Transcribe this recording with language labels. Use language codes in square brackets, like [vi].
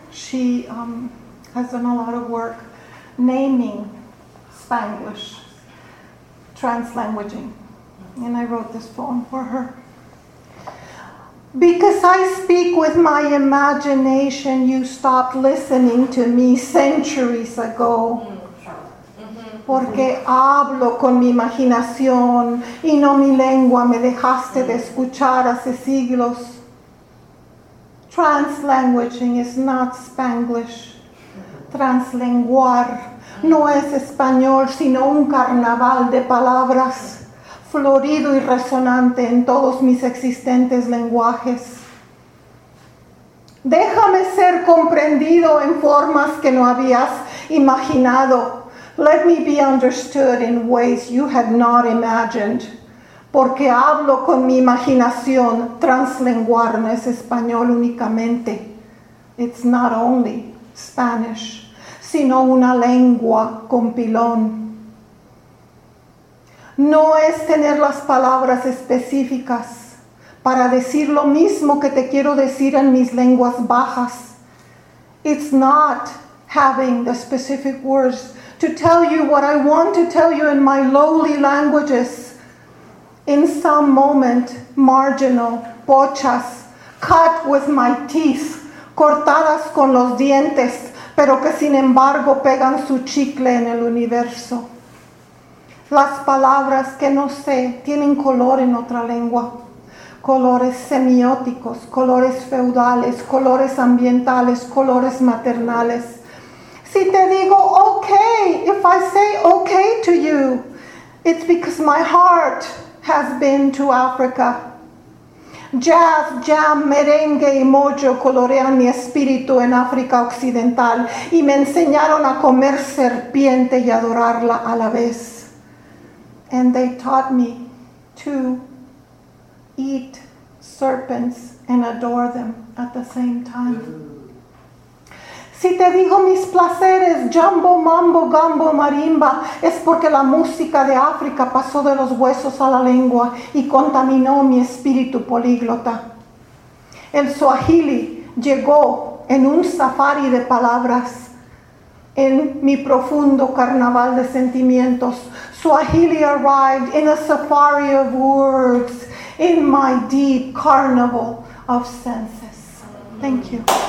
[en] She has done a lot of work naming Spanglish, translanguaging. And I wrote this poem for her. Because I speak with my imagination, you stopped listening to me centuries ago. [es] Porque hablo con mi imaginación y no mi lengua, me dejaste de escuchar hace siglos. [en] Translanguaging is not Spanglish. [es] Translenguar no es español, sino un carnaval de palabras, florido y resonante en todos mis existentes lenguajes. Déjame ser comprendido en formas que no habías imaginado. [en] Let me be understood in ways you had not imagined. [es] Porque hablo con mi imaginación, translenguar no es español únicamente. [en] It's not only Spanish, [es] sino una lengua con pilón. No es tener las palabras específicas para decir lo mismo que te quiero decir en mis lenguas bajas. [en] It's not having the specific words to tell you what I want to tell you in my lowly languages. In some moment, marginal, pochas, cut with my teeth, [es] cortadas con los dientes, pero que sin embargo pegan su chicle en el universo. Las palabras que no sé tienen color en otra lengua, colores semióticos, colores feudales, colores ambientales, colores maternales. Si te digo okay, [en] if I say okay to you, it's because my heart has been to Africa. [es] Jazz, jam, merengue y mojo colorean mi espíritu en África Occidental y me enseñaron a comer serpiente y adorarla a la vez. [en] And they taught me to eat serpents and adore them at the same time. [es] Si te digo mis placeres, jumbo, mambo, gambo, marimba, es porque la música de África pasó de los huesos a la lengua y contaminó mi espíritu políglota. El swahili llegó en un safari de palabras, en mi profundo carnaval de sentimientos. [en] Swahili arrived in a safari of words, in my deep carnival of senses. Thank you.